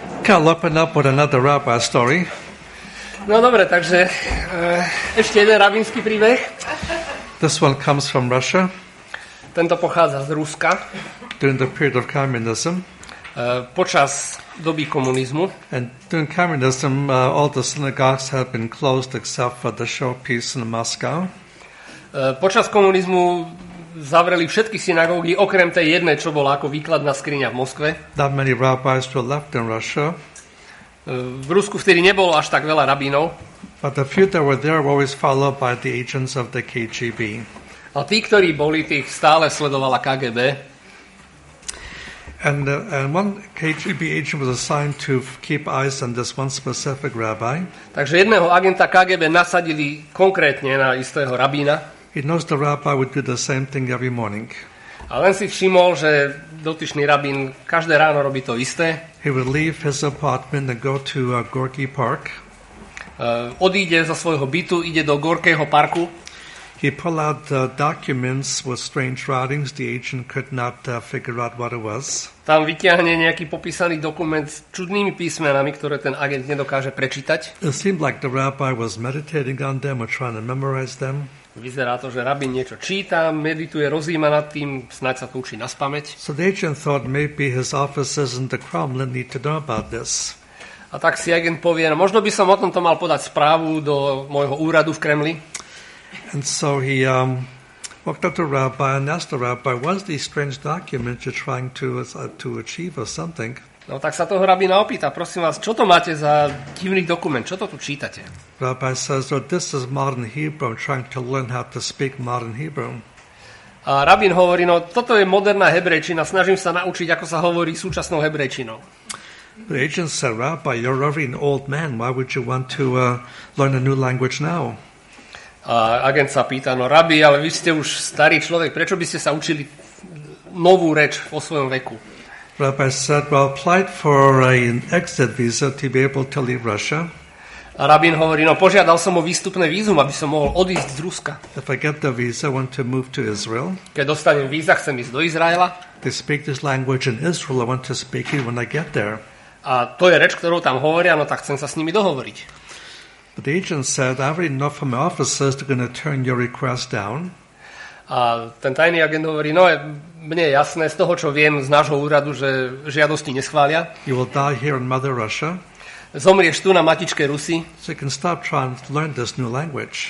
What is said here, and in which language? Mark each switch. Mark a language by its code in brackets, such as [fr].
[en] Cal, open up with another rabbi story. [sk] No dobre, takže ešte jeden rabínsky príbeh. [en] This one comes from Russia. [sk] Tento pochádza z Ruska. [en] During the period of communism. [sk] Počas doby komunizmu. [en] And during communism, all the synagogues have been closed except for the showpiece in Moscow. [sk] Počas komunizmu zavreli všetky synagógy, okrem tej jednej, čo bola ako výkladná skriňa v Moskve. [en] Not many rabbis were left in Russia. [sk] V Rusku vtedy nebolo až tak veľa rabínov. [en] But the few that were there were always followed by the agents of the KGB. [sk] A tí, ktorí boli, tých stále sledovala KGB. [en] And one KGB agent was assigned to keep eyes on this one specific rabbi. [sk] Takže jedného agenta KGB nasadili konkrétne na istého rabína. [en] He knows the rabbi would do the same thing every morning. [sk] A len si všimol, že dotyčný rabín každé ráno robí to isté. [en] He would leave his apartment and go to Gorky Park. [sk] Odíde zo svojho bytu, ide do Gorkého parku. [en] He pulled out documents with strange writings. The agent could not figure out what it was. [sk] Tam vytiahne nejaký popísaný dokument s čudnými písmenami, ktoré ten agent nedokáže prečítať. [en] It seemed like the rabbi was meditating on them or trying to memorize them. [sk] Vyzerá to, že rabín niečo číta, medituje, rozjíma nad tým, snáď sa to učí na spameť. [en] So the agent thought maybe his officers in the Kremlin need to know about this. [sk] A tak si agent povie, no možno by som o tomto mal podať správu do môjho úradu v Kremli. [en] And so he walked up to rabbi and asked the rabbi, what is these strange documents you're trying to achieve or something? [sk] No tak sa toho rabína opýta, prosím vás, čo to máte za divný dokument, čo to tu čítate? [en] Rabbi says, oh, this is modern Hebrew, I'm trying to learn how to speak modern Hebrew. [sk] A rabín hovorí, no toto je moderná hebrejčina, snažím sa naučiť, ako sa hovorí súčasnou hebrejčinou. [en] The agent said, rabbi, you're already an old man, why would you want to learn a new language now? [sk] A agent sa pýta, no rabí, ale vy ste už starý človek, prečo by ste sa učili novú reč vo svojom veku? [en] Rabbi said, well, applied for an exit visa to be able to leave Russia. [sk] A rabín hovorí, no požiadal som o výstupné vízum, aby som mohol odísť z Ruska. [en] If I get the visa, I want to move to Israel. [sk] Keď dostanem víza, chcem ísť do Izraela. [en] They speak this language in Israel, I want to speak it when I get there. [sk] A to je reč, ktorú tam hovoria, no tak chcem sa s nimi dohovoriť. [en] But the agent said, I already know from my officers they're going to turn your request down. [sk] A ten tajný agent hovorí, no mne je jasné z toho, čo viem z nášho úradu, že žiadosti neschvália. [en] You will die here in Mother Russia. [sk] Zomrieš tu na matičke Rusy. [en] So you can stop trying to learn this new language.